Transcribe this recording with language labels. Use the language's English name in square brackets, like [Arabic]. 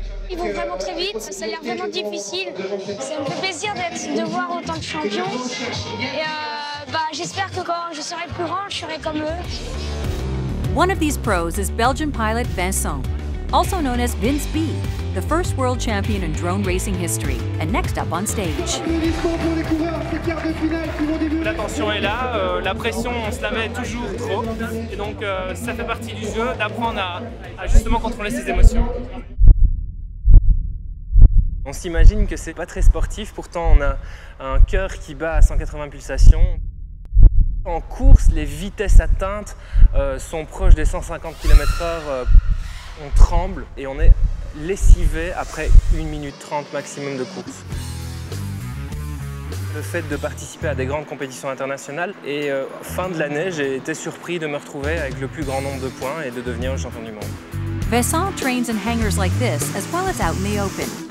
[French] Ils vont vraiment très vite, ça a l'air vraiment difficile. Ça me fait plaisir de voir autant de champions. Et j'espère que quand je serai plus grand, je serai comme eux. [English] One of these pros is Belgian pilot Vincent, also known as Vince B, the first world champion in drone racing history, and next up on stage. [French] La tension est là, la pression, on se la met toujours trop, et donc ça fait partie du jeu d'apprendre à justement contrôler ses émotions. On s'imagine que c'est pas très sportif, pourtant on a un cœur qui bat à 180 pulsations. En course, les vitesses atteintes sont proches des 150 km/h. On tremble et on est lessivé après 1 minute 30 maximum de course. Le fait de participer à des grandes compétitions internationales et fin de l'année, j'ai été surpris de me retrouver avec le plus grand nombre de points et de devenir champion du monde. [English] Vincent trains in hangars like this as well as out in the open.